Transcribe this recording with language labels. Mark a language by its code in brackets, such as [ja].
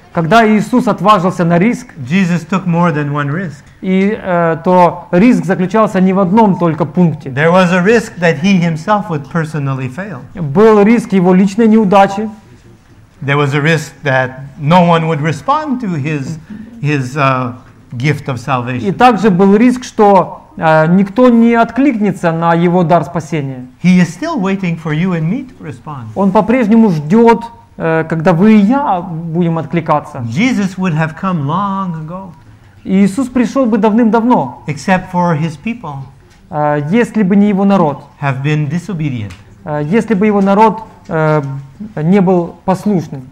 [ru] Когда Иисус отважился на риск. [en] Jesus took more than one risk. [ru] И то риск заключался не в одном только пункте. [en] There was a risk that he himself would personally fail. [ru] Был риск его личной неудачи. [en] There was a risk that no one would respond to his gift of salvation. [ru] И также был риск, что никто не откликнется на его дар спасения. [en] He is still waiting for you and me to respond. [ru] Он по-прежнему ждет, когда вы и я будем откликаться. [en] Jesus would have come long ago. [ru] Иисус пришел бы давным-давно, [en] except for his people, [ru] если бы не его народ, [en] have been disobedient. [ru] Если бы его народ не был послушным,